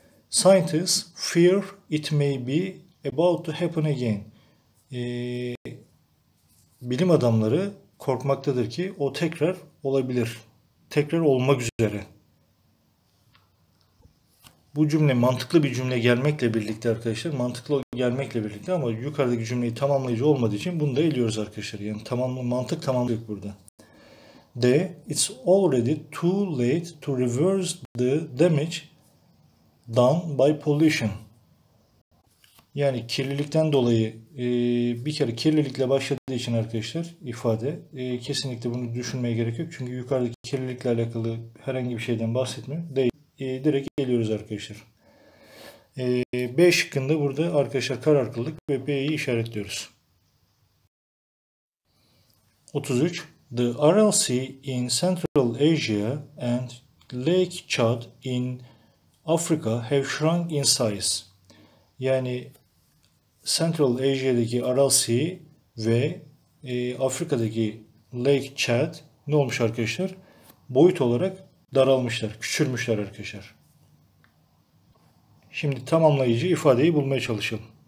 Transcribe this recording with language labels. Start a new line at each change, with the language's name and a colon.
English: Scientists fear it may be about to happen again.
Turkish: Bilim adamları korkmaktadır ki o tekrar olabilir. Tekrar olmak üzere. Bu cümle mantıklı bir cümle gelmekle birlikte arkadaşlar, mantıklı gelmekle birlikte ama yukarıdaki cümleyi tamamlayıcı olmadığı için bunu da eliyoruz arkadaşlar. Yani mantık tamamlayıcı yok burada. D.
English: It's already too late to reverse the damage done by pollution.
Turkish: Yani kirlilikten dolayı bir kere kirlilikle başladığı için arkadaşlar ifade kesinlikle bunu düşünmeye gerek yok. Çünkü yukarıdaki kirlilikle alakalı herhangi bir şeyden bahsetmiyor. D. Direkt geliyoruz arkadaşlar. B şıkkında burada arkadaşlar karar kıldık ve B'yi işaretliyoruz. 33.
English: The Aral Sea in Central Asia and Lake Chad in Africa have shrunk in size.
Turkish: Yani Central Asia'daki Aral Sea ve Afrika'daki Lake Chad ne olmuş arkadaşlar? Boyut olarak daralmışlar, küçülmüşler arkadaşlar. Şimdi tamamlayıcı ifadeyi bulmaya çalışalım.